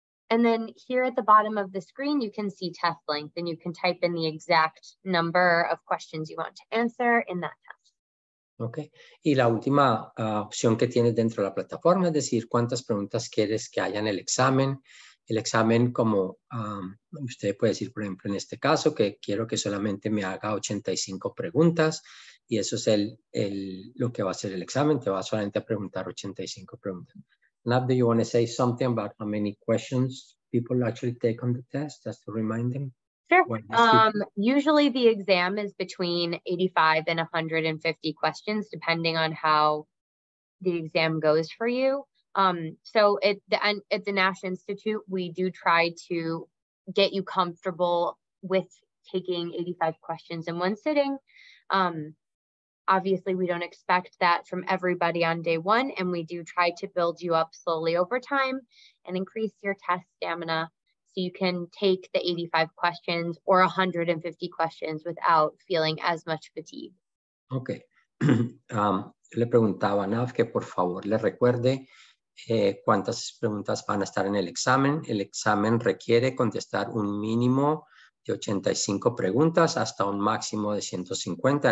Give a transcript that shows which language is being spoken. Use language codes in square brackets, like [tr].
[en] And then here at the bottom of the screen, you can see test length, and you can type in the exact number of questions you want to answer in that test. Okay. [es] Y la última opción que tienes dentro de la plataforma es decir cuántas preguntas quieres que haya en el examen. El examen, como usted puede decir, por ejemplo, en este caso, que quiero que solamente me haga 85 preguntas. Y eso es lo que va a ser el examen. Te va solamente a preguntar 85 preguntas. [en] Now, do you want to say something about how many questions people actually take on the test? Just to remind them. Sure. Usually the exam is between 85 and 150 questions, depending on how the exam goes for you. At the Nash Institute, we do try to get you comfortable with taking 85 questions in one sitting. Obviously, we don't expect that from everybody on day one, and we do try to build you up slowly over time and increase your test stamina so you can take the 85 questions or 150 questions without feeling as much fatigue. Okay. [es] Le preguntaba a Nav que por favor le recuerde cuántas preguntas van a estar en el examen. El examen requiere contestar un mínimo de 85 preguntas hasta un máximo de 150.